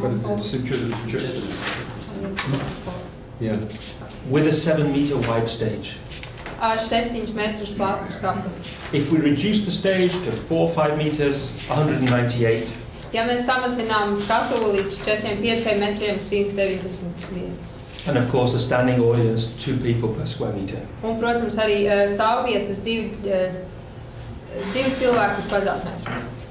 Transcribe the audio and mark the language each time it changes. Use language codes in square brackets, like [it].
[lv] paredzētu? 144. Jā. [en] With a 7-meter wide stage. [lv] Ar 7 metrus platu skatu. [en] If we reduce the stage to 4-5 meters, 198. [lv] Ja mēs samazinām skatu līdz 4-5 metriem, 191. [en] And of course, a standing audience, 2 people per square meter. [lv] Un, protams, arī stāvvietas divi cilvēki uz kvadrātmetru.